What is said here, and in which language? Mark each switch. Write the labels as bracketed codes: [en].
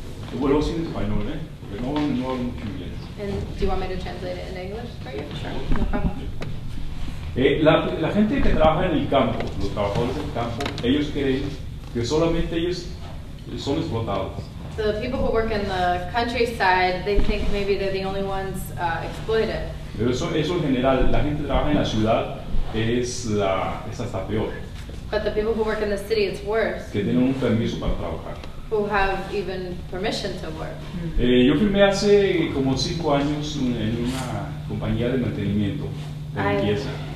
[en] The word also is by Norway, the Northern and Northern Cumulus. And do you want me to translate it in English for you? Sure. No problem. [es] La gente que trabaja en el campo, los trabajadores del campo, ellos creen que solamente ellos son explotados. [en] The people who work in the countryside, they think maybe they're the only ones exploited. [es] Pero eso en general, la gente que trabaja en la ciudad es hasta peor. [en] But the people who work in the city, it's worse. [es] Que tienen un permiso para trabajar. [en] Who have even permission to work. [es] Yo firmé hace como 5 años en una compañía de mantenimiento, de limpieza.